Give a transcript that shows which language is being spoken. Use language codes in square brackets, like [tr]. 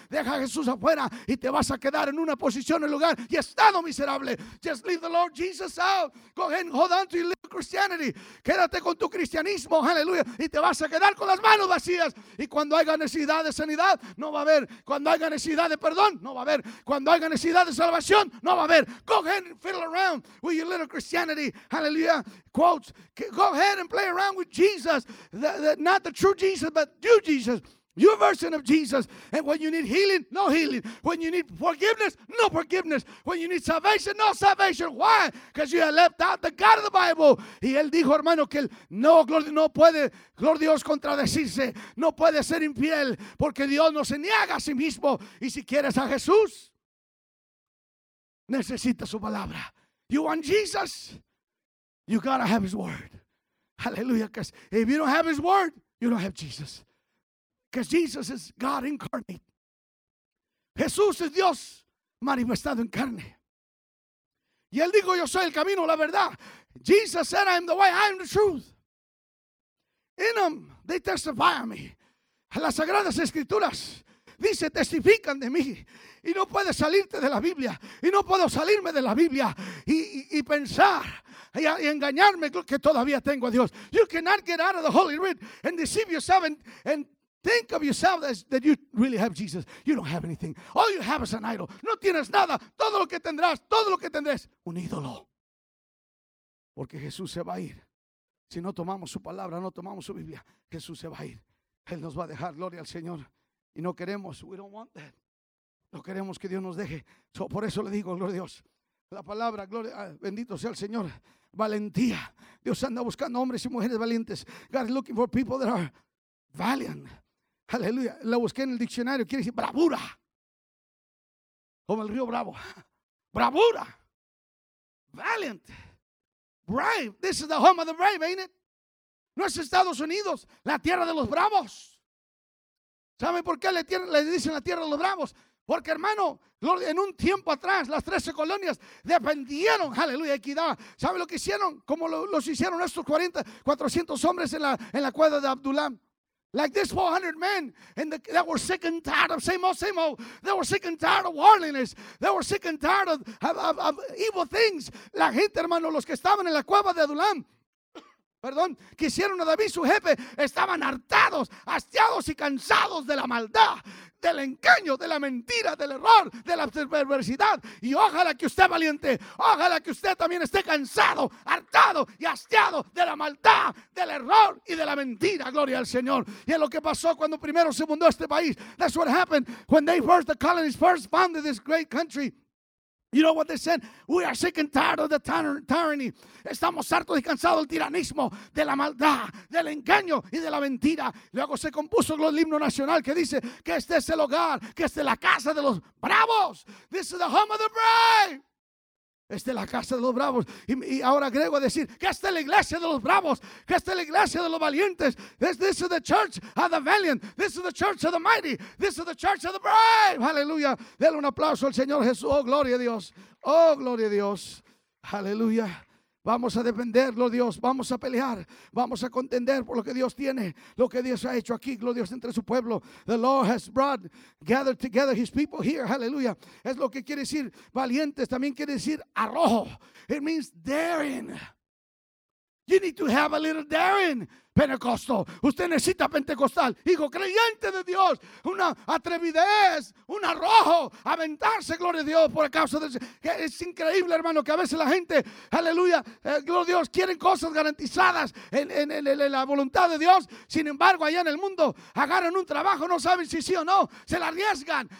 [es] Deja a Jesús afuera y te vas a quedar en una posición, en lugar y estado miserable. [en] Just leave the Lord Jesus out. Go ahead and hold on to your little Christianity. [es] Quédate con tu cristianismo, aleluya, y te vas a quedar con las manos vacías. Y cuando haya necesidad de sanidad, no va a haber. Cuando haya necesidad de perdón, no va a haber. Cuando haya necesidad de salvación, no va a haber. [en] Go ahead and fiddle around with your little Christianity, aleluya. Quotes. Go ahead and play around with Jesus, not the true Jesus, but you Jesus. Your version of Jesus. And when you need healing, no healing. When you need forgiveness, no forgiveness. When you need salvation, no salvation. Why? Because you have left out the God of the Bible. [es] Y él dijo, hermano, que él no, gloria, no puede, gloria Dios, contradecirse. No puede ser infiel, porque Dios no se niega a sí mismo. Y si quieres a Jesús, necesita su palabra. [en] You want Jesus? You gotta have his word. Hallelujah. Because if you don't have his word, you don't have Jesus. Because Jesus is God incarnate. [es] Jesús es Dios manifestado en carne. Y él dijo, yo soy el camino, la verdad. [en] Jesus said, I am the way, I am the truth. In them, they testify of me. [es] Las Sagradas Escrituras dice, testifican de mí. Y no puedes salirte de la Biblia. Y no puedo salirme de la Biblia. Y pensar y engañarme que todavía tengo a Dios. [en] You cannot get out of the Holy Writ and deceive yourself and think of yourself as that you really have Jesus. You don't have anything. All you have is an idol. [es] No tienes nada. Todo lo que tendrás, un ídolo. Porque Jesús se va a ir Si no tomamos su palabra, no tomamos su Biblia, Jesús se va a ir. Él nos va a dejar, gloria al Señor. Y no queremos, [en] we don't want that. [es] No queremos que Dios nos deje. So, por eso le digo, gloria a Dios. La palabra, gloria, bendito sea el Señor. Valentía. Dios anda buscando hombres y mujeres valientes. [en] God is looking for people that are valiant. [es] Aleluya. La busqué en el diccionario. Quiere decir bravura. Como el río Bravo. Bravura. [en] Valiant. Brave. This is the home of the brave, ain't it? [es] No es Estados Unidos, la tierra de los bravos. ¿Saben por qué le dicen la tierra de los bravos? Porque, hermano, en un tiempo atrás, las 13 colonias defendieron, aleluya, equidad. ¿Saben lo que hicieron? Como los hicieron estos 400 hombres en la cueva de Abdulán. [en] Like this 400 men that were sick and tired of same old, they were sick and tired of worldliness, they were sick and tired of evil things. [es] La gente, hermano, los que estaban en la cueva de Adulam, perdón, quisieron a David su jefe, estaban hartados, hastiados y cansados de la maldad, del engaño, de la mentira, del error, de la perversidad. Y ojalá que usted valiente, ojalá que usted también esté cansado, hartado y hastiado de la maldad, del error y de la mentira, gloria al Señor. Y es lo que pasó cuando primero se fundó este país. [en] That's what happened when they first, the colonists first founded this great country. You know what they said? We are sick and tired of the tyranny. [es] Estamos hartos y cansados del tiranismo, de la maldad, del engaño y de la mentira. Luego se compuso el himno nacional que dice que este es el hogar, que este es la casa de los bravos. [en] This is the home of the brave. [es] Esta es la casa de los bravos. Y ahora agrego a decir que esta es la iglesia de los bravos, que esta es la iglesia de los valientes. [en] This is the church of the valiant. This is the church of the mighty. This is the church of the brave. [es] Aleluya. Denle un aplauso al Señor Jesús. Oh, gloria a Dios. Oh, gloria a Dios. Aleluya. Vamos a defender, gloria a Dios. Vamos a pelear. Vamos a contender por lo que Dios tiene, lo que Dios ha hecho aquí, gloria a Dios, entre su pueblo. [en] The Lord has brought, gathered together his people here. [es] Hallelujah. Es lo que quiere decir valientes. También quiere decir arrojo. [en] It means daring. You need to have a little daring, Pentecostal. [es] Usted necesita Pentecostal, hijo creyente de Dios. Una atrevidez, un arrojo, aventarse, gloria a Dios, por causa de eso. Es increíble, hermano, que a veces la gente, aleluya, gloria a Dios, quieren cosas garantizadas en la voluntad de Dios. Sin embargo, allá en el mundo, agarran un trabajo, no saben si sí o no, se la arriesgan.